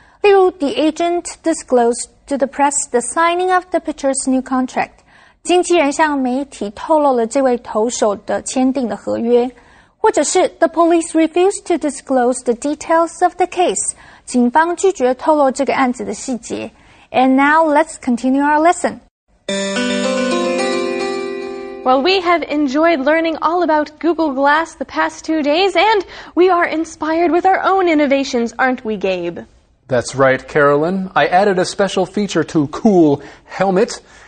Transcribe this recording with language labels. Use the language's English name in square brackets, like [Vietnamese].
[English] 例如 the agent disclosed to the press the signing of the pitcher's new contract. [Chinese] 经纪人向媒体透露了这位投手的签订的合约。 [English] 或者是 the police refused to disclose the details of the case. [Chinese] 警方拒绝透露这个案子的细节。 [English] And now let's continue our lesson. Well, we have enjoyed learning all about Google Glass the past 2 days, and we are inspired with our own innovations, aren't we, Gabe? That's right, Carolyn. I added a special feature to Cool Helmet.